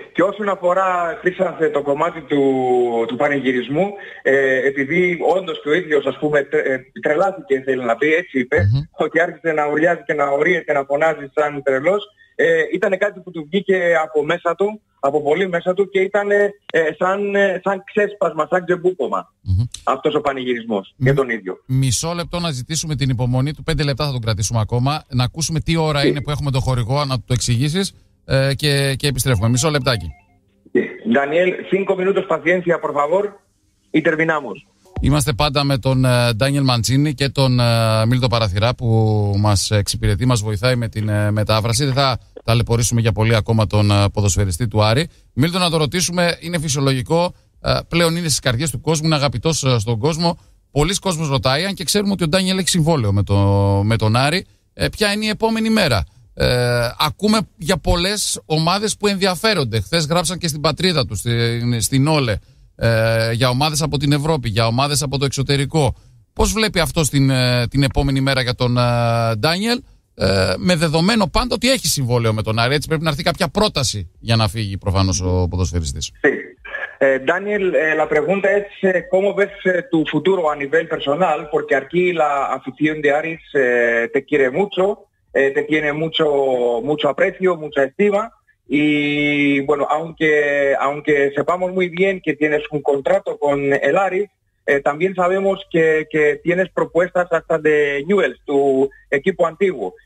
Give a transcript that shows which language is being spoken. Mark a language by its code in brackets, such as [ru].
[el] Και όσον αφορά, Χρήσανθε, το κομμάτι του πανηγυρισμού, επειδή όντως και ο ίδιος, ας πούμε, τρελάθηκε, θέλει να πει, έτσι είπε, ότι άρχισε να ουρλιάζει και να ορίεται, να φωνάζει σαν τρελός, ήταν κάτι που του βγήκε από μέσα του, από πολύ μέσα του, και ήταν σαν ξέσπασμα, σαν ξεμπούκωμα αυτός ο πανηγυρισμός για τον ίδιο. Μισό λεπτό να ζητήσουμε την υπομονή του, 5 λεπτά θα τον κρατήσουμε ακόμα, να ακούσουμε τι ώρα είναι που έχουμε τον χορηγό, να του το εξηγήσεις. Και επιστρέφουμε. Μισό λεπτάκι. [es] Daniel, 5 minutos paciencia, por favor, y terminamos. [el] Είμαστε πάντα με τον Daniel Mancini και τον Μίλτο Παραθυρά που μας εξυπηρετεί, μας βοηθάει με την μετάφραση. Δεν θα ταλαιπωρήσουμε για πολύ ακόμα τον ποδοσφαιριστή του Άρη. Μίλτο, να το ρωτήσουμε, είναι φυσιολογικό, πλέον είναι στις καρδιές του κόσμου, είναι αγαπητός στον κόσμο. Πολλοίς κόσμος ρωτάει, αν και ξέρουμε ότι ο Daniel έχει συμβόλαιο με τον Άρη, ποια είναι η επόμενη μέρα. Ακούμε για πολλές ομάδες που ενδιαφέρονται. Χθες γράψαν και στην πατρίδα τους, στην Όλε, για ομάδες από την Ευρώπη, για ομάδες από το εξωτερικό. Πώς βλέπει αυτό την επόμενη μέρα για τον Daniel, με δεδομένο πάντα ότι έχει συμβόλαιο με τον Άρη, έτσι πρέπει να έρθει κάποια πρόταση για να φύγει προφανώς ο ποδοσφαιριστής. [es] Daniel, la pregunta es cómo ves tu futuro a nivel personal, porque aquí la afición de Aris te quiere mucho. Te tiene mucho aprecio, mucha estima, y bueno, aunque sepamos muy bien que tienes un contrato con el Ari, también sabemos que tienes propuestas hasta de Newell's, tu equipo antiguo.